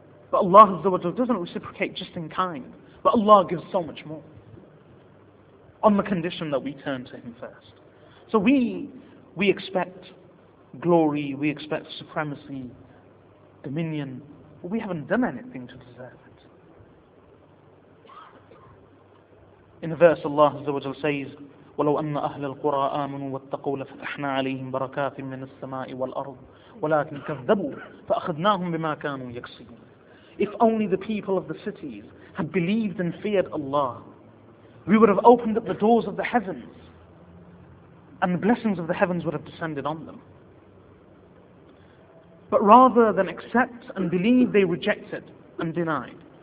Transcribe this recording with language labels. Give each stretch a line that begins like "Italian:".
English: But Allah doesn't reciprocate just in kind, but Allah gives so much more on the condition that we turn to Him first. So we expect glory, we expect supremacy, dominion, but we haven't done anything to deserve it. In the verse, Allah says,
Arabic: وَلَوْ أَنَّ أَهْلَ الْقُرَىٰ آمَنُوا وَاتَّقُوا لَفَتَحْنَا عَلَيْهِمْ بَرَكَاتٍ مِّنَ السَّمَاءِ وَالْأَرْضِ وَلَكِنْ كَذَّبُوا فَأَخَذْنَاهُمْ بِمَا كَانُوا يَكْسِبُونَ.
English: If only the people of the cities had believed and feared Allah, we would have opened up the doors of the heavens, and the blessings of the heavens would have descended on them. But rather than accept and believe, they rejected and denied.